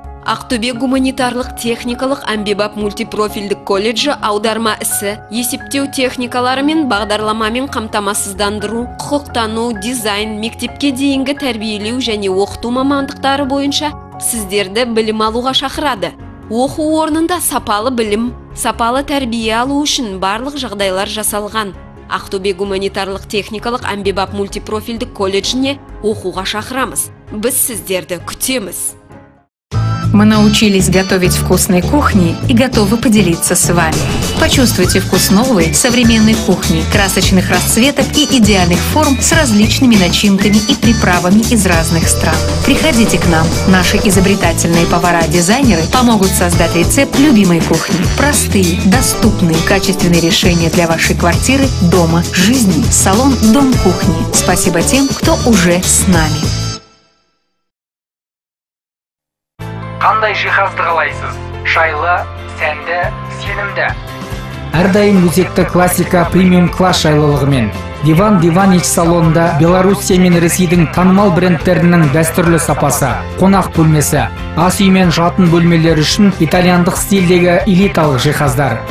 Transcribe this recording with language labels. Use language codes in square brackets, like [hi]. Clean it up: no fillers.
[kk] Ақтөбе гуманитарлық техникалық әмбебап мультипрофильдік колледжі аударма ісі, есептеу техникаларымен бағдарламамен қамтамасыздандыру, құқықтану, дизайн, мектепке дейінгі тәрбиелеу және оқыту мамандықтары бойынша сіздерді білім алуға шақырады. Оқу орнында сапалы білім, сапалы тәрбие алу үшін барлық жағдайлар жасалған. Ақтөбе гуманитарлық техникалық әмбебап мультипрофильдік колледжіне оқуға шақырамыз. Біз сіздерді күтеміз. [ru] Мы научились готовить вкусной кухни и готовы поделиться с вами. Почувствуйте вкус новой, современной кухни, красочных расцветок и идеальных форм с различными начинками и приправами из разных стран. Приходите к нам. Наши изобретательные повара-дизайнеры помогут создать рецепт любимой кухни. Простые, доступные, качественные решения для вашей квартиры, дома, жизни. Салон «Дом кухни». Спасибо тем, кто уже с нами. [kk] Қандай жиһазды қалайсыз? Шайлы, сәнді, сенімді. Әрдайым өзекті классика премиум класс шайлылығымен. Диван Диванич салонында Белоруссия мен Ресейдің танымал брендтерінің дәстүрлі сапасы, қонақ бөлмесі, ас үй мен жатын бөлмелер үшін итальяндық стильдегі элиталық жиһаздар.